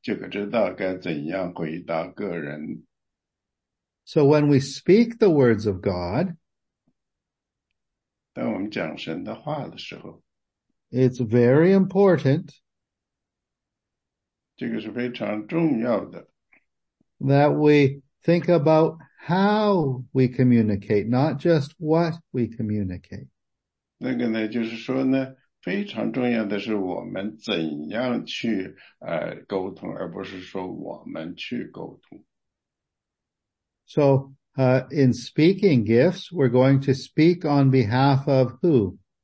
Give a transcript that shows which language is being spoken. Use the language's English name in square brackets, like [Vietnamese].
[Chinese] 这个里面呢，第六节说呢，你们的言语要常常带着恩典，好像用盐调和，就可知道该怎样回答个人。 [English] So when we speak the words of God, [Chinese] 当我们讲神的话的时候， [English] it's very important [Chinese] 这个是非常重要的。 [English] that we think about how we communicate, not just what we communicate. [Chinese] 那个呢，就是说呢，非常重要的是我们怎样去沟通，而不是说我们去沟通。 [English] So, in speaking gifts, we're going to speak on behalf of who?